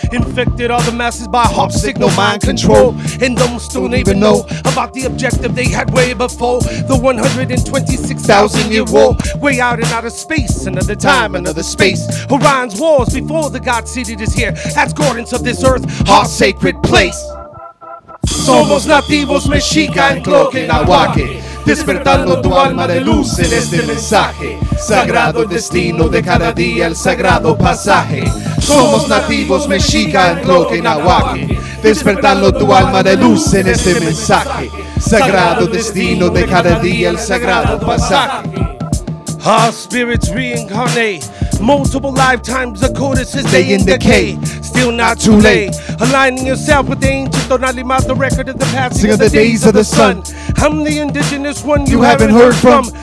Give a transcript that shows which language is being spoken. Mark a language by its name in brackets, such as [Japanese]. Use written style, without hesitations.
[English] Infected all the masses by harp signal mind control. And almost don't even know about the objective they had way before the 126,000-year war. Way out and out of space, another time, another space. Orion's wars before the God seated is here. Asgardians of this earth, our sacred place. [Spanish] Somos nativos mexica en cloque nahuaque, despertando tu alma de luz en este mensaje. Sagrado destino de cada día, el sagrado pasaje. Somos nativos mexica en cloque nahuaque, despertando tu alma de luz en este mensaje. Sagrado destino de cada día, el sagrado pasaje. [English] Our spirits reincarnate, multiple lifetimes, the codices stay in decay. Still not too late, aligning yourself with the ancient Donalima, the record of the past, sing of the days of the sun. I'm the indigenous one you haven't heard from.